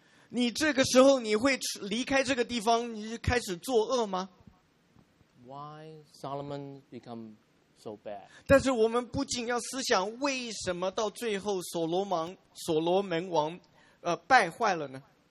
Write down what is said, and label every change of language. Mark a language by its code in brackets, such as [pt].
[zh] 你这个时候你会离开这个地方，你就开始作恶吗？ [en] Why Solomon become so bad. [zh] 但是我们不禁要思想，为什么到最后所罗门王败坏了呢？